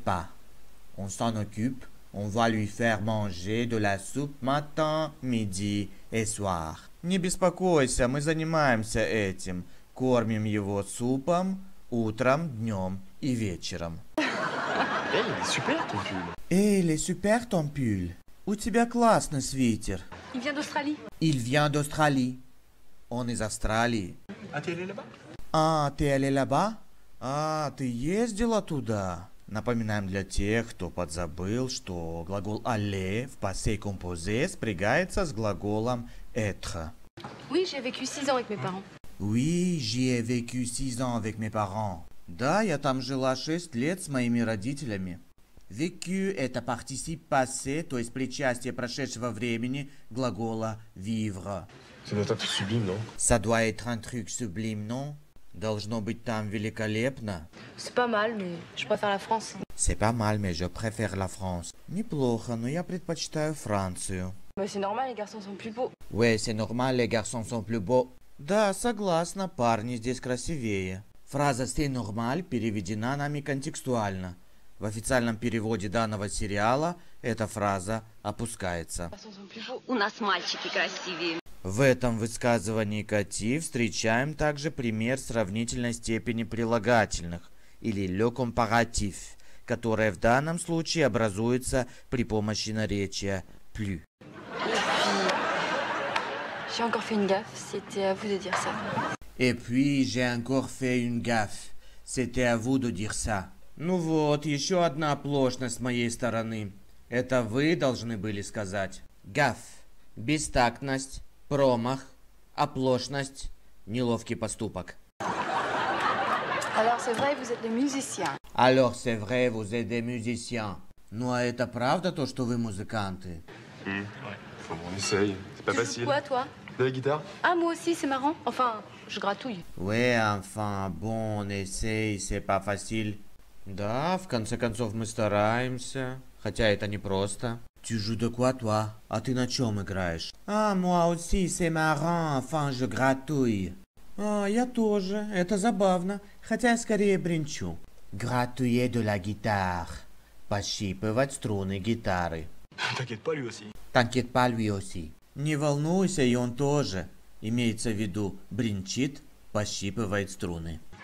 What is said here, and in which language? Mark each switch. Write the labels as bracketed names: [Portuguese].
[French] pas, on s'en occupe, on va lui faire manger de la soupe matin, midi et soir. [Russian] Не беспокойся, мы занимаемся этим. Кормим его супом утром, днем и вечером. Эй, [French] il est super ton pull. [Russian] У тебя классный свитер. [French] Il vient d'Australie. Il vient d'Australie. [Russian] Он из Австралии. Ты ездила туда? Напоминаем для тех, кто подзабыл, что глагол «aller» в passé composé спрягается с глаголом «être». [French] Oui, j'ai vécu 6 ans avec mes parents. Oui, j'ai vécu 6 ans avec mes parents. [Russian] Да, я там жила 6 лет с моими родителями. Vécu – это particip passé, то есть причастие прошедшего времени глагола vivre. [French] Ça doit être sublime, non? Ça doit être un truc sublime, non? [Russian] Должно быть там великолепно. [French] C'est pas mal, mais je préfère la France. C'est pas mal, mais je préfère la France. [Russian] Неплохо, но я предпочитаю Францию. [French] Mais c'est normal, les garçons sont plus beaux. Oui, c'est normal, les garçons sont plus beaux. [Russian] Да, согласна, парни здесь красивее. Фраза [French] «c'est normal» [Russian] переведена нами контекстуально. В официальном переводе данного сериала эта фраза опускается. У нас мальчики красивее. В этом высказывании Кати встречаем также пример сравнительной степени прилагательных, или «le comparatif», которое в данном случае образуется при помощи наречия «plus». [French] J'ai encore fait une gaffe, c'était à vous de dire ça. Et puis j'ai encore fait une gaffe, c'était à vous de dire ça. [Russian] Ну вот, еще одна оплошность с моей стороны. Это вы должны были сказать. Гаф. Бестактность, промах, оплошность, неловкий поступок. [French] Alors c'est vrai, vous êtes des musiciens. Alors c'est vrai, vous êtes des musiciens. [Russian] Ну а это правда то, что вы музыканты? [French] Bon, on essaye. C'est pas tu facile. Tu joues quoi, toi? De la guitare? Ah, moi aussi, c'est marrant. Enfin, je gratouille. Ouais, enfin, bon, on essaye, c'est pas facile. [Russian] Да, в конце концов, мы стараемся. Хотя это непросто. [French] Tu joues de quoi, toi? [Russian] А ты на чем играешь? [French] Ah, moi aussi, c'est marrant. Enfin, je gratouille. [Russian] А, я тоже. Это забавно. Хотя я скорее бренчу. [French] Gratouiller de la guitare. [Russian] Пощипывать струны гитары. [French] T'inquiète pas, lui aussi. T'inquiète pas, lui aussi. [Russian] Не волнуйся, и он тоже. Имеется в виду, бренчит, пощипывает струны.